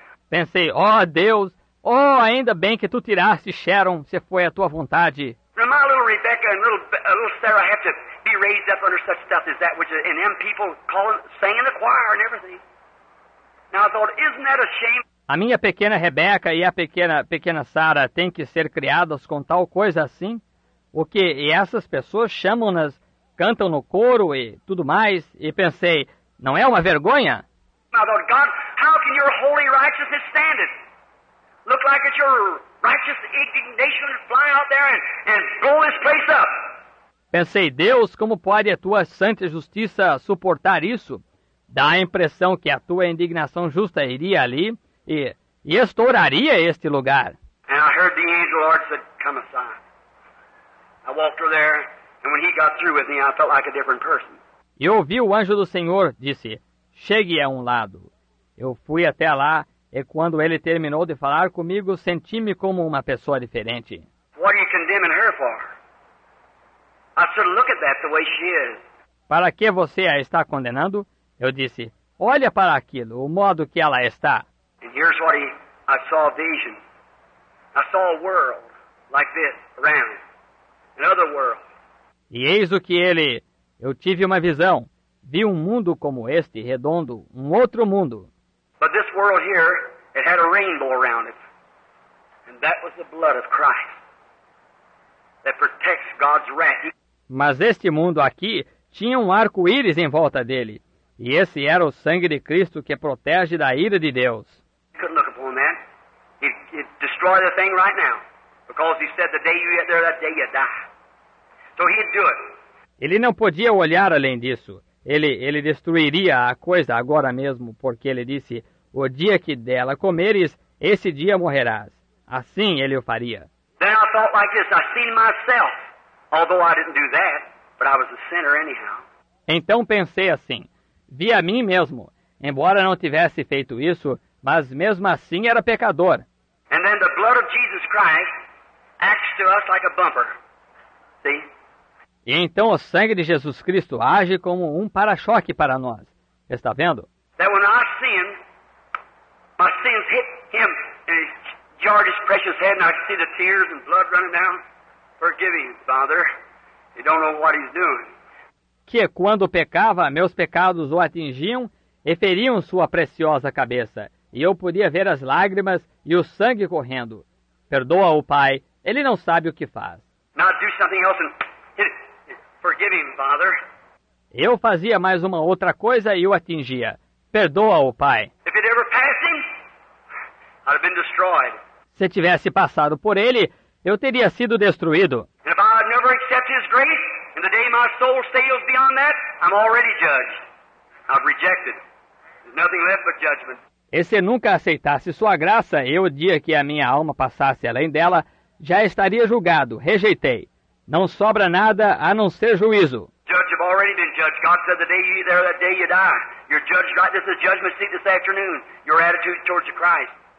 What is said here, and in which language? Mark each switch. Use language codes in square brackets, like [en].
[pt] Pensei, oh Deus, oh ainda bem que tu tiraste Sharon, se foi a tua vontade. [en] My little Rebecca and little Sarah have to be raised up under such stuff as that, which is, and them people calling, singing in the choir and everything. Now I thought, isn't that a shame? [pt] A minha pequena Rebecca e a pequena Sarah têm que ser criadas com tal coisa assim? O que? E essas pessoas chamam-nas, cantam no coro e tudo mais, e pensei, não é uma vergonha? [en] Now I thought, God, how can your holy righteousness stand it? Look like it's your righteous indignation to fly out there and blow this place up. [pt] Pensei, Deus, como pode a tua santa justiça suportar isso? Dá a impressão que a tua indignação justa iria ali e estouraria este lugar. [en] And I heard the angel Lord said, come aside. I walked through there, and when he got through with me, I felt like a different person. [pt] E ouvi o anjo do Senhor disse, chegue a um lado. Eu fui até lá. E quando ele terminou de falar comigo, senti-me como uma pessoa diferente. [en] What are you condemning her for? I said, look at that, the way she is. [pt] Para que você a está condenando? Eu disse, olha para aquilo, o modo que ela está. [en] And here's what I saw, a vision. I saw a world like this around. Another world. [pt] E eis o que ele... Eu tive uma visão. Vi um mundo como este, redondo, um outro mundo. [en] But this world here, it had a rainbow around it. And that was the blood of Christ that protects God's wrath. [pt] Mas este mundo aqui tinha um arco-íris em volta dele. E esse era o sangue de Cristo que protege da ira de Deus. [en] You couldn't look upon that. He'd destroy the thing right now. Because he said, the day you get there, that day you die. So he'd do it. [pt] Ele não podia olhar além disso. Ele destruiria a coisa agora mesmo, porque ele disse, o dia que dela comeres, esse dia morrerás. Assim ele o faria. [en] Then I thought like this, I seen myself, although I didn't do that, but I was a sinner anyhow. [pt] Então pensei assim, vi a mim mesmo, embora não tivesse feito isso, mas mesmo assim era pecador. [en] And then the blood of Jesus Christ acts to us like a bumper. [pt] E então o sangue de Jesus Cristo age como um para-choque para nós. Está vendo? [en] That when I sin, my sins hit him and jarred his precious head, and I see the tears and blood running down. Forgive him, Father. He don't know what he's doing. [pt] Que quando pecava, meus pecados o atingiam e feriam sua preciosa cabeça, e eu podia ver as lágrimas e o sangue correndo. Perdoa-o, Pai. Ele não sabe o que faz. [en] Now do something else and forgive him, Father. [pt] Eu fazia mais uma outra coisa e o atingia. Perdoa-o, Pai. [en] If it ever passed him, I'd have been destroyed. [pt] Se tivesse passado por ele, eu teria sido destruído. [en] And if I had never accepted his grace, and the day my soul sails beyond that, I'm already judged. I've rejected. There's nothing left but judgment. [pt] E se nunca aceitasse sua graça, eu, o dia que a minha alma passasse além dela, já estaria julgado. Rejeitei. Não sobra nada a não ser juízo. [en] Judge have already been judged. God said the day you eat there, that day you die. You're judged right. This is judgment seat this afternoon. Your attitude towards the Christ.